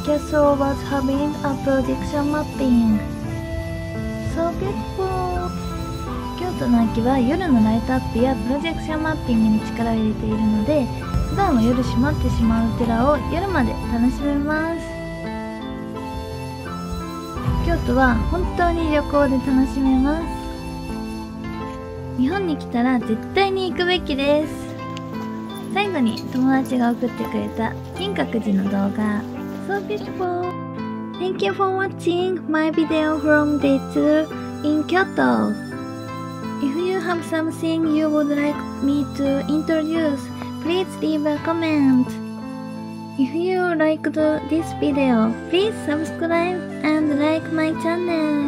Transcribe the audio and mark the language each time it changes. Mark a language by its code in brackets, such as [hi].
[en] So was having a projection mapping. So people, [ja] Kyoto の秋は夜のライトアップやプロジェクションマッピングに力を入れているので、普段は夜閉まってしまう寺を夜まで楽しめます。京都は本当に旅行で楽しめます。日本に来たら絶対に行くべきです。最後に友達が送ってくれた金閣寺の動画。 [en] So beautiful! Thank you for watching my video from day 2 in Kyoto! If you have something you would like me to introduce, please leave a comment! If you liked this video, please subscribe and like my channel!